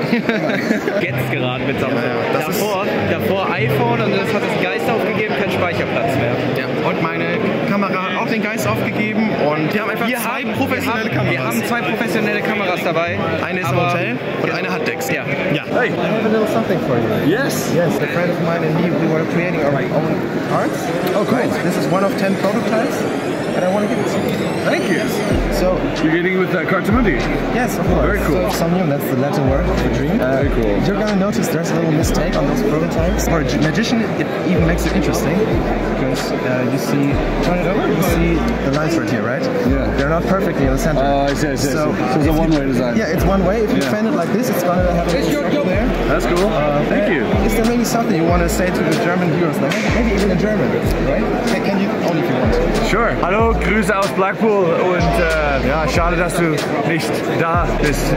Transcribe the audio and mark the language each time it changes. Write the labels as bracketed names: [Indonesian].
[German] Jetzt gerade mit seinem davor iPhone und das hat das Geist aufgegeben, kein Speicherplatz mehr. Ja. Und meine Kamera hat auch den Geist aufgegeben und wir haben einfach Wir haben zwei professionelle Kameras dabei. Eine ist im Hotel und eine hat Decks. Ja. Ja. [English] Hey. I have a little something for you. Yes. Yes. A friend of mine and me, we were creating our own art. Oh, cool. So, this is one of 10 prototypes. But I want to give it to you. Thank you. So you're getting with Cartamundi? Yes, of course. Very cool. Somnium, that's the Latin word for dream. Very cool. You're going to notice there's a little mistake on those prototypes. For a magician, it even makes it interesting. Because you see, turn it over, you see the lines right here, right? Yeah. They're not perfectly in the center. Oh, I see, I see. So it's a one-way design. Yeah, it's one way. If you fan it like this, it's going to have a little circle there. That's cool. Thank you. Is there maybe something you want to say to the German viewers? Like, maybe even in German, right? Can you, only if you want. Sure. Hello. [German] Grüße aus Blackpool und ja, schade, dass du nicht da bist.